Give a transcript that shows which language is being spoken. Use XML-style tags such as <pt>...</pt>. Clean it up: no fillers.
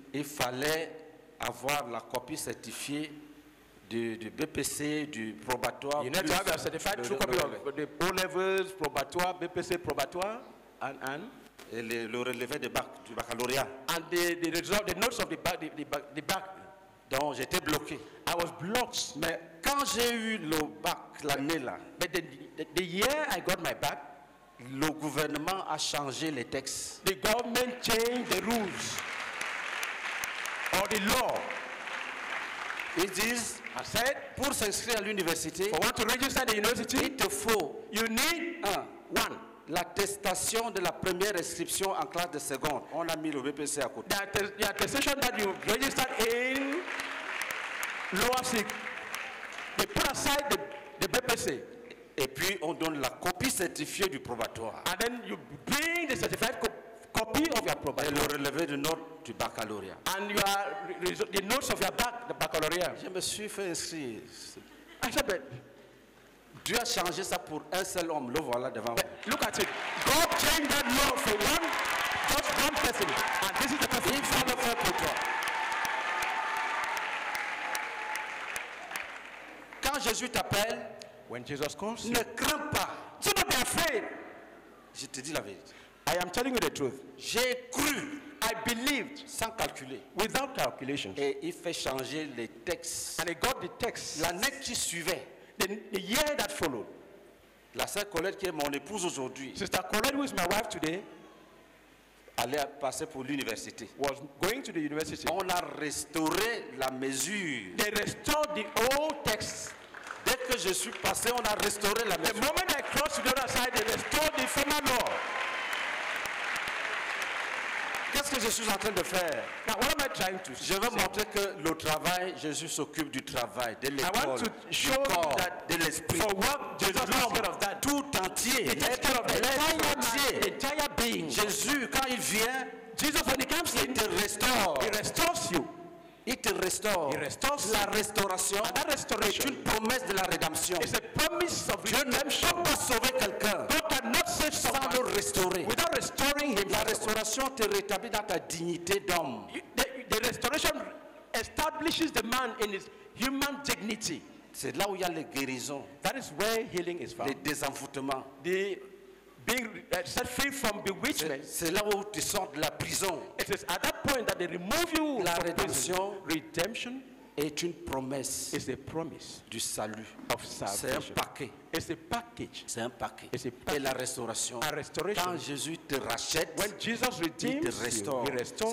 <fr>il fallait avoir la copie certifiée du BPC, du probatoire.</fr> <en>You need to have a certified true copy of the O levels, probatoire, BPC, probatoire, and.</en> <fr>Et le relevé de bac du baccalauréat.</fr> <en>And the result, the notes of the bac.</en> <fr>Donc j'étais bloqué.</fr> <en>I was blocked.</en> <fr>Mais quand j'ai eu le bac l'année là.</fr> <en>But the year I got my bac,</en> <fr>le gouvernement a changé les textes.</fr> <en>The government changed the rules or the law.</en> <fr>Ils disent,</fr> <en>I said,</en> <fr>pour s'inscrire à l'université,</fr> <en>for one to register at the university,</en> <fr>il te faut,</fr> <en>you need one.</en> <fr>l'attestation de la première inscription en classe de seconde. On a mis le VPC à côté.</fr> <en>The attestation that you registered in lower sixth. They put aside the VPC.</en> <fr>Et puis on donne la copie certifiée du probatoire.</fr> <en>And then you bring the certified copy of your probatoire.</en> <fr>Et le relevé de notes du baccalauréat.</fr> <en>And you are the notes of your baccalauréat.</en> <fr>Je me suis fait inscrire.</fr> <en>I said, but</en> <fr>Dieu a changé ça pour un seul homme. Le voilà devant vous.</fr> <en>Look at it. God changed that law for one, just one person. And this is the person.</en> <fr>Il faut le faire pour toi. Quand Jésus t'appelle,</fr> <en>when Jesus comes,</en> <fr>ne crains pas.</fr> <en>Do not be afraid.</en> <fr>Je te dis la vérité.</fr> <en>I am telling you the truth.</en> <fr>J'ai cru.</fr> <en>I believed.</en> <fr>Sans calculer.</fr> <en>Without calculations.</en> <fr>Et il fait changer les textes.</fr> <en>And he got the text.</en> <fr>L'année qui suivait.</fr> <en>The year that followed.</en> <fr>La sœur Colette qui est mon épouse aujourd'hui.</fr> <en>Sister Colette, who is my wife today,</en> <fr>allait passer pour l'université.</fr> <en>Was going to the university.</en> <fr>On a restauré la mesure.</fr> <en>They restored the old text.</en> <fr>Dès que je suis passé, on a restauré la mesure.</fr> <en>The moment I crossed to the other side, they restored the former law.</en> <fr>Qu'est-ce que je suis en train de faire?</fr> <en>Now, what am I trying to</en> <fr>je veux</fr> <en>say?</en> <fr>Montrer que le travail, Jésus s'occupe du travail, de l'école,</fr> <en>I want to show</en> <fr>du corps,</fr> <en>that</en> <fr>de l'esprit,</fr> <en>for work, Jesus</en> <fr>de l'homme, tout entier,</fr> <en>entire being.</en> <fr>Jésus, quand il vient,</fr> <en>Jesus, when he comes,</en> <fr>il te restaure.</fr> <en>He restores you.</en> <fr>Il te restaure.</fr> <en>He restores</en> <fr>la restauration.</fr> <en>And that restoration</en> <fr>est une promesse de la rédemption.</fr> <en>It's a promise of</en> <fr>Dieu</fr> <en>redemption.</en> <fr>Ne peut pas sauver quelqu'un. Sans le restaurer.</fr> <en>Without restoring him,</en> <fr>la restauration te rétablit dans ta dignité d'homme.</fr> <en>The restoration establishes the man in his human dignity.</en> <fr>C'est là où il y a les guérisons.</fr> <en>That is where healing is found.</en> <fr>Les désenfoutements.</fr> <en>The being set free from bewitchment.</en> <fr>C'est là où tu sors de la prison.</fr> <en>It is at that point that they remove you.</en> <fr>La rédemption.</fr> <en>Redemption</en> <fr>est une promesse.</fr> <en>It's a promise</en> <fr>du salut.</fr> <en>Of salvation.</en> <fr>C'est un paquet.</fr> <en>It's a package.</en> <fr>C'est un paquet.</fr> <en>It's a package.</en> <fr>Et la restauration.</fr> <en>A restoration.</en> <fr>Quand Jésus te rachète,</fr> <en>when Jesus redeems,</en> <fr>il te restaure.</fr> <en>He restores.</en>